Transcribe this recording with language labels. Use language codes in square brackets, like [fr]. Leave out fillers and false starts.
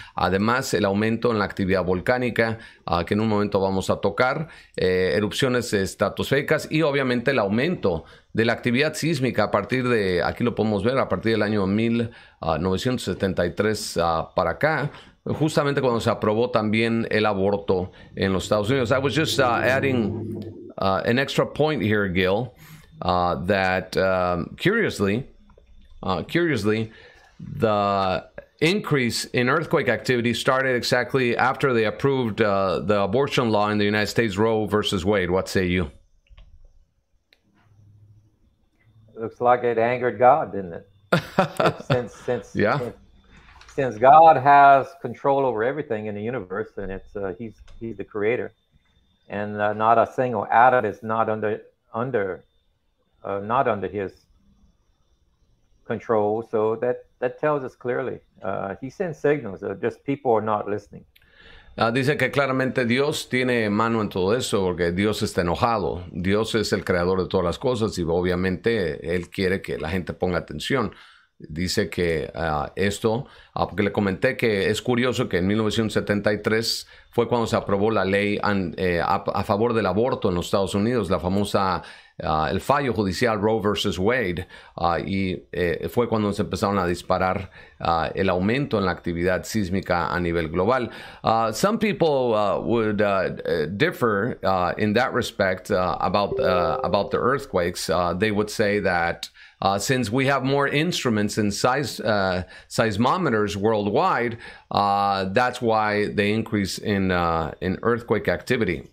[es] Además, el aumento en la actividad volcánica, que en un momento vamos a tocar, erupciones estratosféricas y obviamente el aumento de la actividad sísmica a partir de, aquí lo podemos ver, a partir del año 1973 para acá, justamente cuando se aprobó también el aborto en los Estados Unidos. [en] I was just adding an extra point here, Gil, that curiously, the increase in earthquake activity started exactly after they approved the abortion law in the United States, Roe versus Wade. What say you? Looks like it angered God, didn't it? Yeah. Since God has control over everything in the universe, and it's he's the creator, and not a single atom is not under his control. So that tells us clearly. He sends signals. Just people are not listening. [es] Dice que claramente Dios tiene mano en todo eso, porque Dios está enojado. Dios es el creador de todas las cosas y obviamente Él quiere que la gente ponga atención. Dice que porque le comenté que es curioso que en 1973 fue cuando se aprobó la ley a favor del aborto en los Estados Unidos, la famosa, el fallo judicial Roe versus Wade, y fue cuando se empezaron a disparar el aumento en la actividad sísmica a nivel global. [en] Some people would differ in that respect about the earthquakes. They would say that since we have more instruments and seismometers worldwide, that's why the increase in earthquake activity.